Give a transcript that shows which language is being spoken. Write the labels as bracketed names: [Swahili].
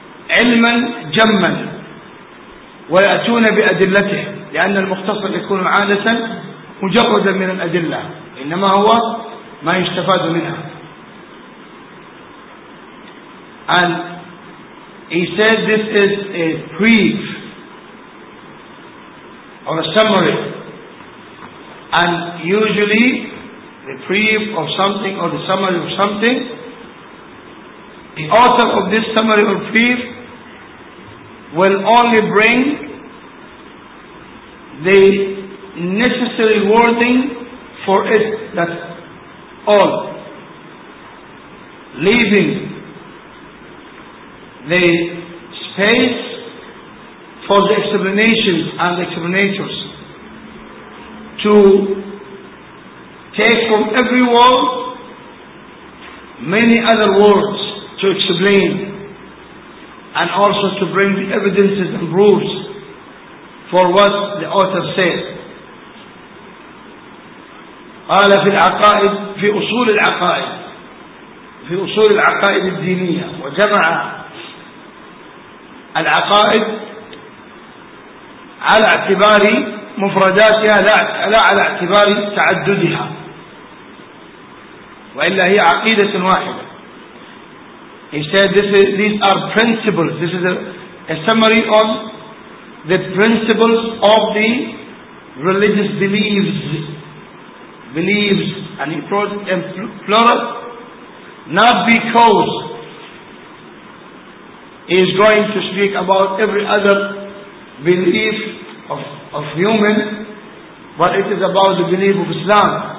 [Arabic] علما جما ويأتون بأدلته، لأن المختصر يكون عادة مجردا من الأدلة، إنما هو ما يستفاد منها. [English] And he said this is a brief or a summary. And usually the brief of something or the summary of something, the author of this summary or brief will only bring the necessary wording for it, that's all, leaving the space for the explanations and the explanators to take from every word many other words to explain, and also to bring the evidences and proofs for what the author said. [Arabic] قال في العقائد، في أصول العقائد، في أصول العقائد الدينية، وجمع العقائد على اعتبار مفرداتها لا على اعتبار تعددها، وإلا هي عقيدة واحدة. [English] He said this is, these are principles. This is a summary of the principles of the religious beliefs. Believes, and he brought it in plural, not because he is going to speak about every other belief of human, but it is about the belief of Islam.